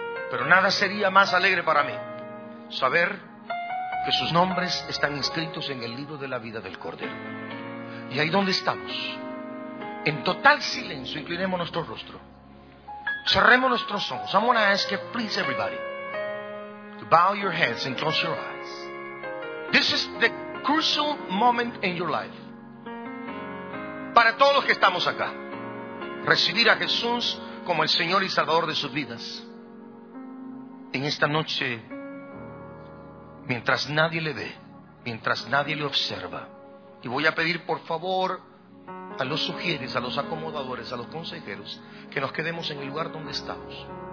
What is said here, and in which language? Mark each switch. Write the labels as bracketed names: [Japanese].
[Spanish] Pero nada sería más alegre para mí saber que sus nombres están inscritos en el libro de la vida del Cordero. Y ahí donde estamos, en total silencio, inclinemos nuestro rostro, cerremos nuestros ojos. [English] I'm going to ask you, please, everybody, to bow your heads and close your eyes. This is the crucial moment in your life. [Spanish] Para todos los que estamos acá, recibir a Jesús como el Señor y Salvador de sus vidas. En esta noche, mientras nadie le ve, mientras nadie le observa, y voy a pedir por favor a los sugieres, a los acomodadores, a los consejeros, que nos quedemos en el lugar donde estamos.